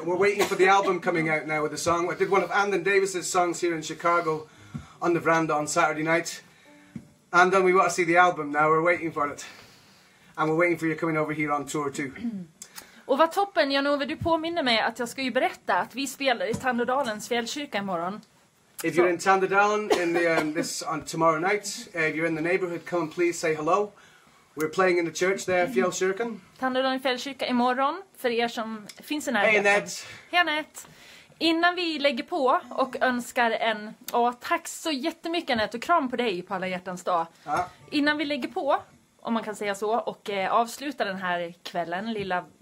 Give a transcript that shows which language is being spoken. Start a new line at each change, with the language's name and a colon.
English: We're waiting for the album coming out now with the song. I did one of Andon Davis's songs here in Chicago on the Veranda on Saturday night. Andon, we want to see the album now. We're waiting for it. And we're waiting for you coming over here on tour too.
Swedish: Och vad toppen, Jan-Ove, du påminner mig att jag ska ju berätta att vi spelar i Tandådalens fjällkyrka imorgon.
English: If you're in Tandådalen in the, this on tomorrow night, if you're in the neighborhood, come and please say hello. We're playing in the church there, fjällkyrkan.
Swedish: Tandådalen fjällkyrka imorgon, för er som finns i närheten. Hej, Annette! Hej, Annette! Innan vi lägger på och önskar en... Åh, tack så jättemycket, Annette, och kram på dig på Alla hjärtans dag. Ja. Innan vi lägger på, om man kan säga så, och avslutar den här kvällen, lilla...